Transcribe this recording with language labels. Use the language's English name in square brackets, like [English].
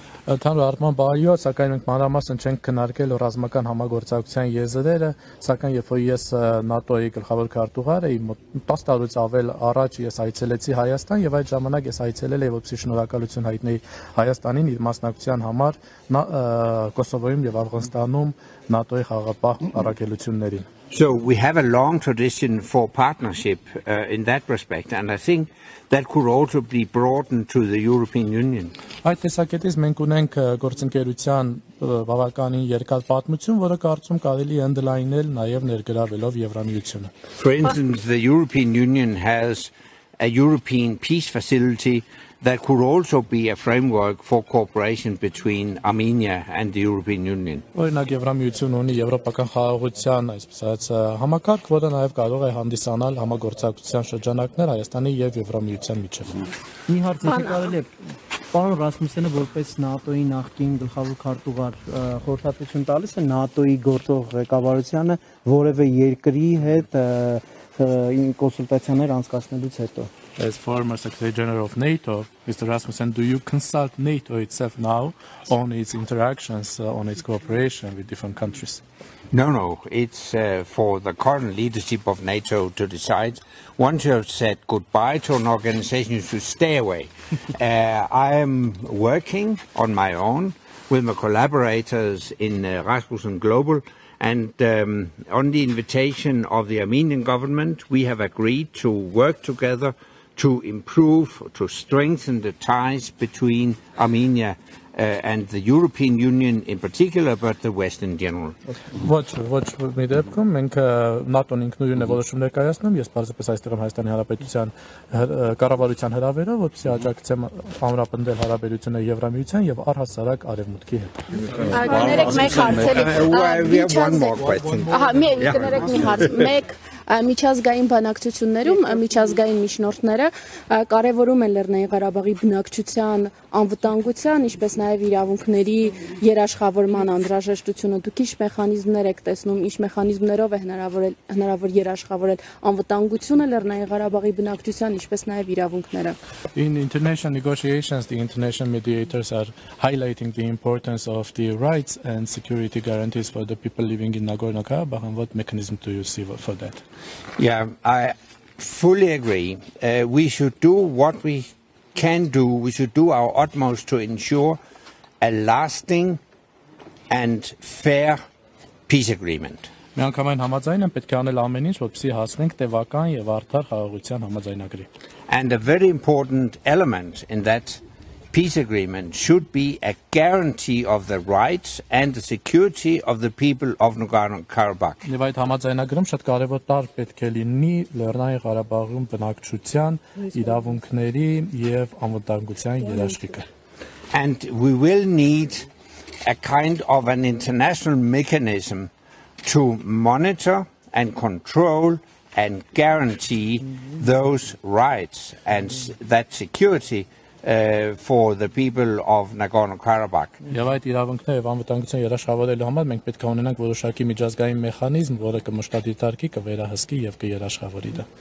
[Armenian] Ընդհանուր առմամբ այո, սակայն մենք մանրամասն չենք քննարկել ռազմական համագործակցության եզրերը, սակայն երբ որ ես ՆԱՏՕ-ի գլխավոր քարտուղար էի, 10 տարուց ավել առաջ ես այցելեցի Հայաստան եւ այդ ժամանակ ես այցելել եի, որպեսզի շնորհակալություն հայտնեի Հայաստանին իր մասնակցության համար Կոսովոյում եւ Աֆղանստանում ՆԱՏՕ-ի խաղապահ առաքելություններին։ [English] So we have a long tradition for partnership in that respect, and I think that could also be broadened to the European Union. [Armenian] Այդ տեսակետից մենք ունենք գործընկերության բավականին երկար պատմություն, որը կարծում կարելի է ընդլայնել նաև ներգրավելով Եվրամիությունը։ [English] For instance, the European Union has a European peace facility that could also be a framework for cooperation between Armenia and the European Union. [Armenian] Օրինակ Եվրամիությունը ունի Եվրոպական խաղաղության, այսպես ասած, համակարգ, որը նաև կարող է հանդիսանալ համագործակցության շրջանակներ Հայաստանի եւ Եվրամիության միջեւ։ Մի հարց եք կարելի է։ Պարոն Ռասմուսենը որպես ՆԱՏՕ-ի նախկին գլխավոր քարտուղար խորհրդատություն տալիս է ՆԱՏՕ-ի գործող ղեկավարությանը որևէ երկրի հետ կոնսուլտացիաներ անցկացնելուց հետո։ [English] As former Secretary General of NATO, Mr. Rasmussen, do you consult NATO itself now on its interactions, on its cooperation with different countries? No. It's for the current leadership of NATO to decide. Once you have said goodbye to an organization, you should stay away. I am working on my own with my collaborators in Rasmussen Global. And on the invitation of the Armenian government, we have agreed to work together to improve, to strengthen the ties between Armenia and the European Union in particular, but the West in general. [Armenian] Ոչ մի դեպքում, մենք ՆԱՏՕ-ն ինքնուրույն է որոշում ներկայացնում, ես պարզապես այստեղ եմ Հայաստանի Հանրապետության կառավարության հրավերով, որպեսզի աջակցեմ ամրապնդել հարաբերությունները Եվրամիության եւ առհասարակ Արևմուտքի հետ։ Կներեք մեկ հարցերի։ Ահա, կներեք մի հարց։ Մեկ միջազգային բանակցություններում միջազգային միջնորդները կարևորում են Լեռնային Ղարաբաղի բնակչության անվտանգության, ինչպես նաև իրավունքների երաշխավորման անհրաժեշտությունը։ Դուք ի՞նչ մեխանիզմներ եք տեսնում, ի՞նչ մեխանիզմներով է հնարավոր երաշխավորել անվտանգությունը Լեռնային Ղարաբաղի բնակչության, ինչպես նաև իրավունքները։ [English] In international negotiations, the international mediators are highlighting the importance of the rights and security guarantees for the people living in Nagorno-Karabakh. What mechanism do you see for that? Yeah, I fully agree. We should do what we can do. We should do our utmost to ensure a lasting and fair peace agreement. [Armenian] Մի անգամայն համաձայն են պետք անել ամեն ինչ, որպեսզի հասնենք տևական եւ արդար խաղաղության համաձայնագրի. [English] And a very important element in that peace agreement should be a guarantee of the rights and the security of the people of Nagorno-Karabakh. [Armenian] Եվ այդ համաձայնագրում շատ կարևոր տարր պետք է լինի Լեռնային Ղարաբաղում բնակչության իրավունքների եւ անվտանգության երաշխիքը։ [English] And we will need a kind of an international mechanism to monitor and control and guarantee those rights and that security for the people of Nagorno-Karabakh. [Armenian] Եվ այդ իրավունքները եւ անվտանգության երաշխավորելու համար մենք պետք է ունենանք որոշակի միջազգային մեխանիզմ, որը կմշտադիտարկի, կվերահսկի եւ կերաշխավորի դա։